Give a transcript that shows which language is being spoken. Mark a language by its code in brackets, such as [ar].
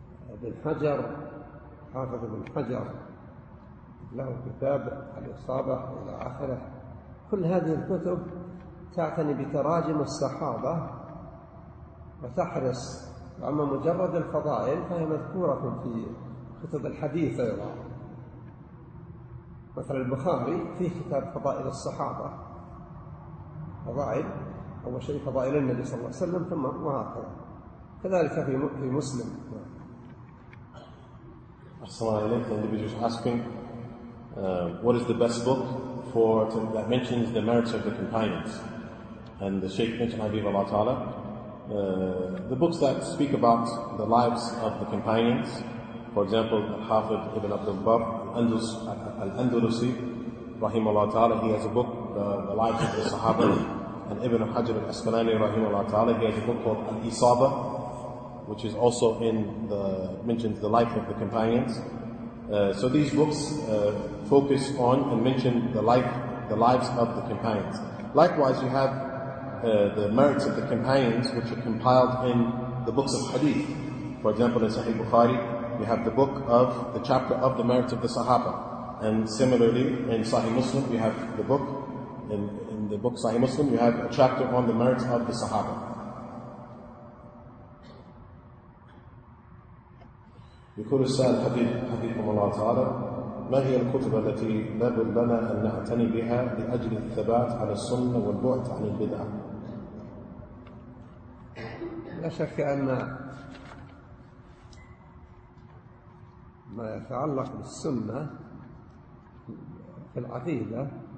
[ar] ابن حجر حافظ ابن حجر له كتاب الإصابة إلى آخره كل هذه الكتب تعتني بتراجم الصحابة وتحرص أما مجرد الفضائل فهي مذكورة في كتب الحديث أيضا مثل البخاري في كتاب فضائل الصحابة فضائل أول شيء فضائل النبي صلى الله عليه وسلم ثم وهكذا كذلك في مسلم. أحسن الله إليك. [en] The individual is asking, what is the best book for that mentions the merits of the companions? And the Shaykh mentioned Habib Allah Ta'ala, the books that speak about the lives of the companions, for example, Hafid ibn Abdul Bar al-Andalusi, Rahim Allah Ta'ala, he has a book, The Lives of the Sahaba. And Ibn Hajar al-Asqalani rahimahullah ta'ala, he has a book called Al-Isaba, which is also mentions the life of the companions. So these books focus on and mention the lives of the companions. Likewise, you have the merits of the companions, which are compiled in the books of Hadith. For example, in Sahih Bukhari, you have the book of the chapter of the merits of the Sahaba. And similarly, in Sahih Muslim, you have the book in the book Sahih Muslim, you have a chapter on the merits of the Sahaba. [ar] يقول السائل حبيبكم الله تعالى ما هي الكتب التي لابد لنا أن نعتني بها لأجل الثبات على السنة والبعد عن البدعة؟ لا شك أن ما يتعلق بالسنة في العقيدة